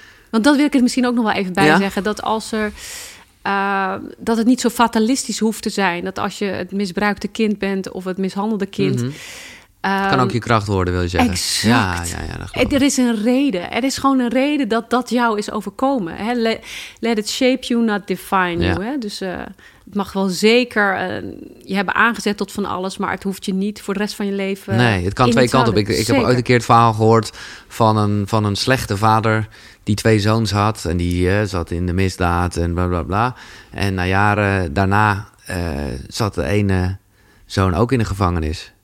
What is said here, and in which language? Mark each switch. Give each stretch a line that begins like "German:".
Dutch: Want dat wil ik er misschien ook nog wel even bij ja? zeggen. Dat als er dat het niet zo fatalistisch hoeft te zijn. Dat als je het misbruikte kind bent of het mishandelde kind... Mm-hmm. Het kan ook je kracht worden, wil je zeggen. Exact. Ja, ja, ja, er is een reden. Er is gewoon een reden dat dat jou is overkomen. Hè?
English: Let it shape you, not define you. Ja. Hè?
Dutch: Dus het mag wel zeker je hebben aangezet tot van alles, maar het hoeft je niet voor de rest van je leven. Nee, het kan twee kanten op. Ik heb ooit een keer het verhaal gehoord van een slechte vader die twee zoons had en die zat in de misdaad en bla bla bla. En na jaren daarna zat de ene zoon ook in de gevangenis.